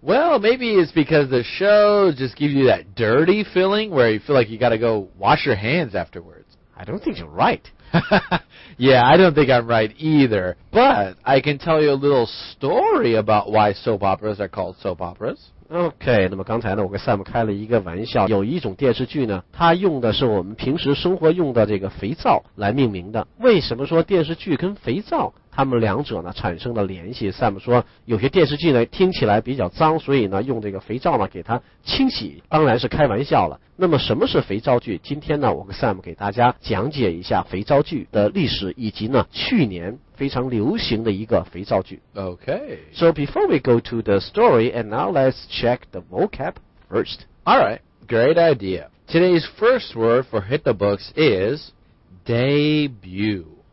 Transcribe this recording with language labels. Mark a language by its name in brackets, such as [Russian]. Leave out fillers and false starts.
[English] Well, maybe it's because the show just gives you that dirty feeling where you feel like you gotta go wash your hands afterwards. I don't think you're right. Yeah, I don't think I'm right either. But I can tell you a little story about why soap operas are called soap operas. [Chinese] Okay, 那么刚才呢我跟 Sam 开了一个玩笑，有一种电视剧呢它用的是我们平时生活用的这个肥皂来命名的。为什么说电视剧跟肥皂他们两者呢产生了联系？ Sam 说有些电视剧呢听起来比较脏，所以呢用这个肥皂呢给它清洗，当然是开玩笑了。那么什么是肥皂剧？今天呢我跟 Sam 给大家讲解一下肥皂剧的历史，以及呢去年非常流行的一个肥皂剧。 [English] Okay. So before we go to the story, and now let's check the vocab first. Alright, great idea. Today's first word for hit the books is debut.